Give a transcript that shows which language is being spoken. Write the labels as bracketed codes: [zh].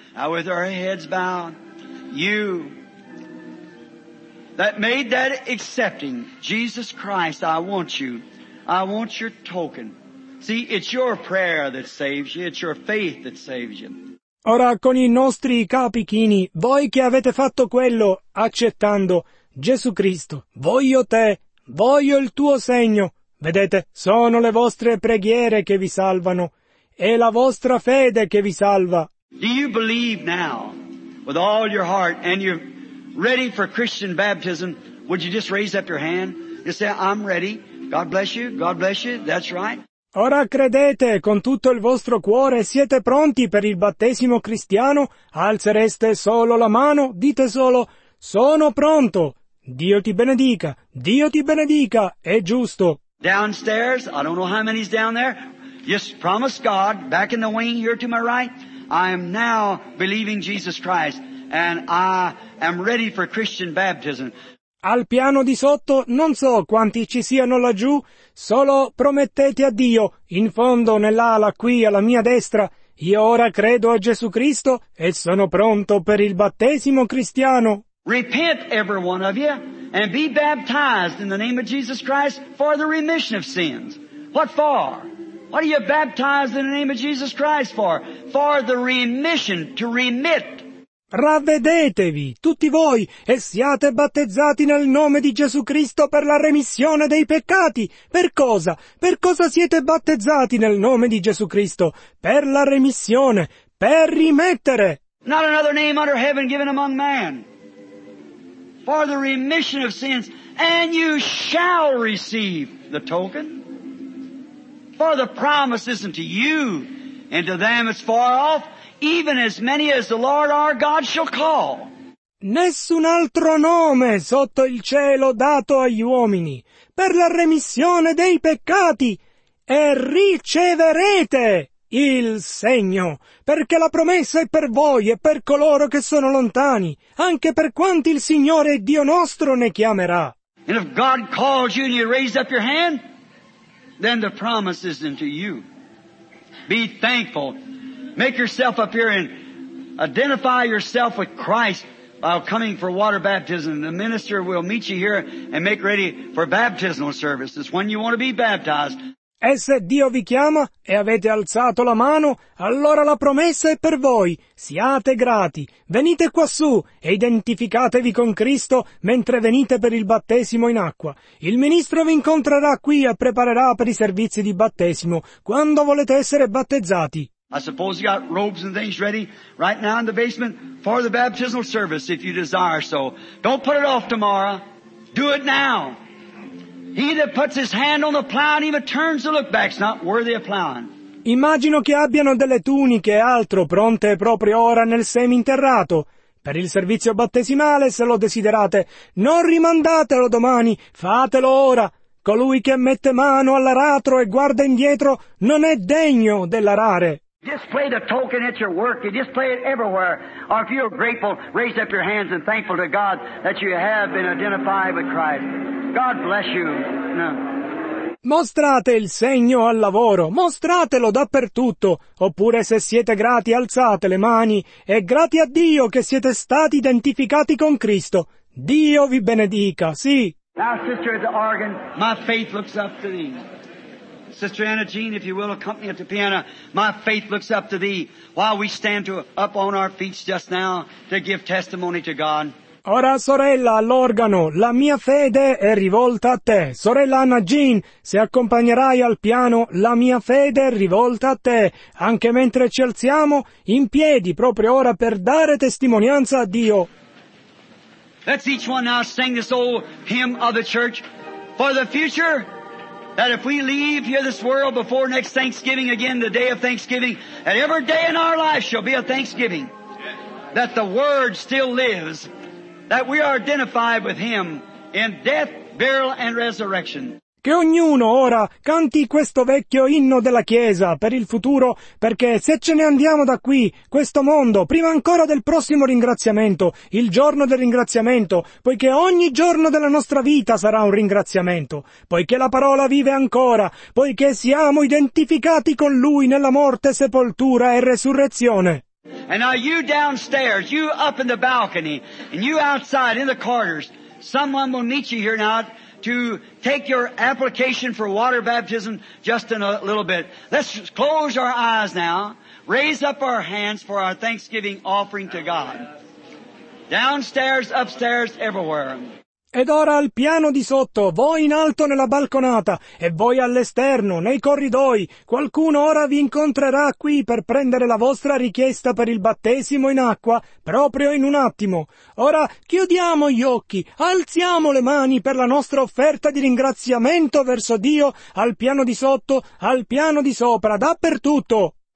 [en] With our heads bowed, you that made that accepting Jesus Christ, I want you. I want your token. See, it's your prayer that saves you. It's your faith that saves you. [it] Ora con i nostri capi chini, voi che avete fatto quello accettando Gesù Cristo, voglio te, voglio il tuo segno. Vedete, sono le vostre preghiere che vi salvano e la vostra fede che vi salva. [en] Do you believe now with all your heart and you're ready for Christian baptism? Would you just raise up your hand and say, I'm ready. God bless you. God bless you. That's right. [it] Ora credete con tutto il vostro cuore, siete pronti per il battesimo cristiano? Alzereste solo la mano, dite solo, sono pronto. Dio ti benedica. Dio ti benedica. È giusto. [en] Downstairs, I don't know how many's down there. Just promise God, back in the wing here to my right. I am now believing Jesus Christ and I am ready for Christian baptism. [it] Al piano di sotto non so quanti ci siano laggiù, solo promettete a Dio in fondo nell'ala qui alla mia destra, io ora credo a Gesù Cristo e sono pronto per il battesimo cristiano. [en] Repent, every one of you, and be baptized in the name of Jesus Christ for the remission of sins. What for? What are you baptized in the name of Jesus Christ for? For the remission, to remit. [it] Ravvedetevi, tutti voi, e siate battezzati nel nome di Gesù Cristo per la remissione dei peccati. Per cosa? Per cosa siete battezzati nel nome di Gesù Cristo? Per la remissione, per rimettere. [en] Not another name under heaven given among man. For the remission of sins, and you shall receive the token. For the promise isn't to you, and to them it's far off. Even as many as the Lord our God shall call. [it] Nessun altro nome sotto il cielo dato agli uomini per la remissione dei peccati, e riceverete il segno, perché la promessa è per voi e per coloro che sono lontani, anche per quanti il Signore Dio nostro ne chiamerà. [en] And if God calls you and you raise up your hand, then the promise is unto you. Be thankful. Make yourself up here and identify yourself with Christ while coming for water baptism. The minister will meet you here and make ready for baptismal services when you want to be baptized. [it] E se Dio vi chiama e avete alzato la mano, allora la promessa è per voi. Siate grati. Venite quassù e identificatevi con Cristo mentre venite per il battesimo in acqua. Il ministro vi incontrerà qui e preparerà per i servizi di battesimo quando volete essere battezzati. [en] I suppose you got robes and things ready right now in the basement for the baptismal service if you desire so. Don't put it off tomorrow. Do it now. He that puts his hand on the plow and even turns to look back is not worthy of plowing. [it] Immagino che abbiano delle tuniche e altro pronte proprio ora nel seminterrato. Per il servizio battesimale, se lo desiderate, non rimandatelo domani, fatelo ora. Colui che mette mano all'aratro e guarda indietro non è degno dell'arare. [en] Display the token at your work. You display it everywhere. Or if you're grateful, raise up your hands and thankful to God that you have been identified with Christ. God bless you. No. [it] Mostrate il segno al lavoro. Mostratelo dappertutto. Oppure se siete grati, alzate le mani. E grati a Dio che siete stati identificati con Cristo. Dio vi benedica. Sì. [en] Now, sister at the organ, my faith looks up to thee. Sister Anna Jean, if you will, accompany at the piano. My faith looks up to thee while we stand up on our feet just now to give testimony to God. [it] Ora, sorella, all'organo, la mia fede è rivolta a te. Sorella Anna Jean, se accompagnerai al piano, la mia fede è rivolta a te. Anche mentre ci alziamo, in piedi, proprio ora, per dare testimonianza a Dio. [en] Let's each one now sing this old hymn of the church for the future. That if we leave here this world before next Thanksgiving again, the day of Thanksgiving, that every day in our life shall be a Thanksgiving. That the Word still lives. That we are identified with Him in death, burial, and resurrection. [it] Che ognuno ora canti questo vecchio inno della Chiesa per il futuro, perché se ce ne andiamo da qui, questo mondo, prima ancora del prossimo ringraziamento, il giorno del ringraziamento, poiché ogni giorno della nostra vita sarà un ringraziamento, poiché la parola vive ancora, poiché siamo identificati con Lui nella morte, sepoltura e resurrezione. [en] And now you downstairs, you up in the balcony, and you outside in the corridors, someone will meet you here now. To take your application for water baptism just in a little bit. Let's close our eyes now. Raise up our hands for our thanksgiving offering to God. Downstairs, upstairs, everywhere. [it] Ed ora al piano di sotto, voi in alto nella balconata, e voi all'esterno, nei corridoi, qualcuno ora vi incontrerà qui per prendere la vostra richiesta per il battesimo in acqua, proprio in un attimo. Ora chiudiamo gli occhi, alziamo le mani per la nostra offerta di ringraziamento verso Dio, al piano di sotto, al piano di sopra, dappertutto.